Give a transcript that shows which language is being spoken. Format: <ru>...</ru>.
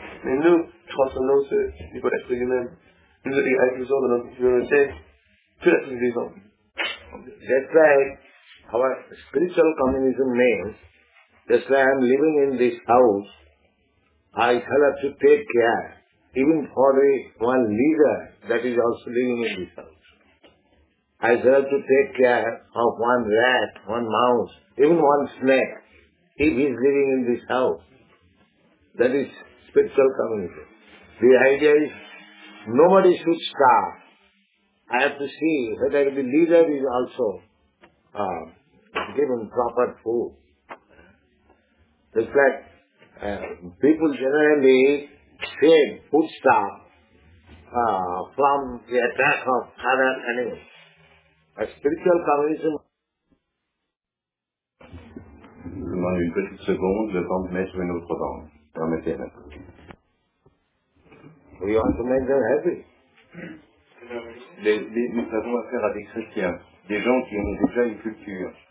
<fr>Mais nous, transcendons ce niveau d'être humain. Nous avons l'inclusion de notre communauté, tout être vivant.</fr> <en>Our spiritual communism means, just like I am living in this house, I shall have to take care, even for one leader that is also living in this house. I shall have to take care of one rat, one mouse, even one snake, if he is living in this house. That is spiritual communism. The idea is, nobody should starve. I have to see whether the leader is also given proper food. It's like people generally save foodstuff from the attack of other animals. A spiritual communism.</en> <fr>Je demande une petite seconde, je vais mettre une autre bande. Permettez un peu.</fr> <en>We want to make them happy.</en> <fr>Nous avons affaire à des chrétiens, des gens qui ont déjà une culture.</fr>